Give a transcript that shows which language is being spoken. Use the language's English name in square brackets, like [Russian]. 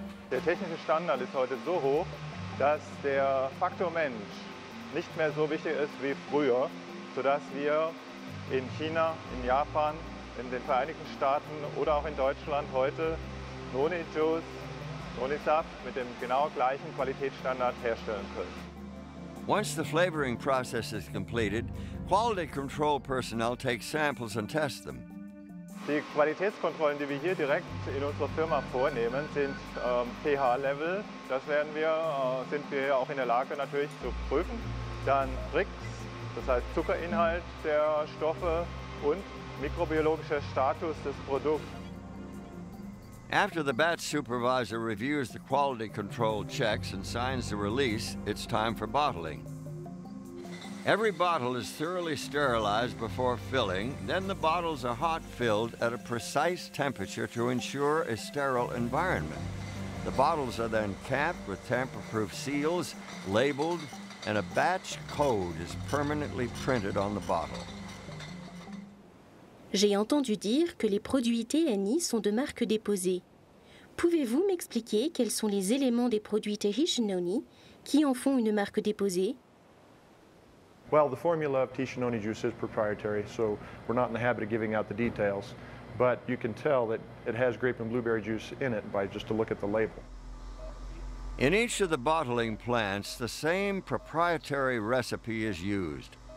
[German] Der technische Standard ist heute so hoch, dass der Faktor Mensch nicht mehr so wichtig ist wie früher, sodass wir in China, in Japan, in den Vereinigten Staaten oder auch in Deutschland heute Noni Juice, Noni Saft mit dem genau gleichen Qualitätsstandard herstellen können. [English] Once the flavoring process is completed, quality control personnel take samples and test them. [German] Die Qualitätskontrollen, die wir hier direkt in unserer Firma vornehmen, sind pH-Level. Das werden wir, sind wir auch in der Lage natürlich zu prüfen. Dann Rix, das heißt Zuckerinhalt der Stoffe und mikrobiologischer Status des Produkts. [English] After the batch supervisor reviews the quality control checks and signs the release, it's time for bottling. Every bottle is thoroughly sterilized before filling, then the bottles are hot filled at a precise temperature to ensure a sterile environment. The bottles are then capped with tamper-proof seals, labeled, and a batch code is permanently printed on the bottle. [French] J'ai entendu dire que les produits TNI sont de marque déposée. Pouvez-vous m'expliquer quels sont les éléments des produits Tahitian Noni qui en font une marque déposée? [English] Well, the formula of Tahitian Noni juice is proprietary, so we're not in the habit of giving out the details, but you can tell that it has grape and blueberry juice in it by just a look at the label. In each of the bottling plants, the same proprietary recipe is used.